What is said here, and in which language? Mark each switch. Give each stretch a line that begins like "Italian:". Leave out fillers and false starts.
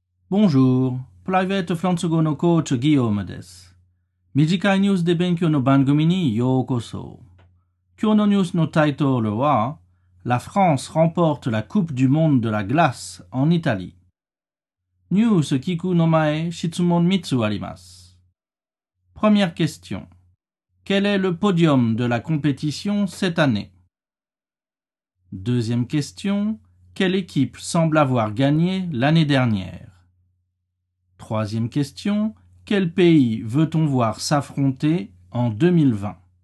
Japanese: Bonjour, Private France 語のコーチ、ギヨームです。短いニュースで勉強の番組にようこそ。今日のニュースのタイトルは、
French: La France remporte la Coupe du Monde de la Glace en Italie。
Japanese: ニュース聞くの前、質問3つあります。
French: Première question. Quel est le podium de la compétition cette année? Deuxième question. Quelle équipe semble avoir gagné l'année dernière? Troisième question, quel pays veut-on voir s'affronter en 2020?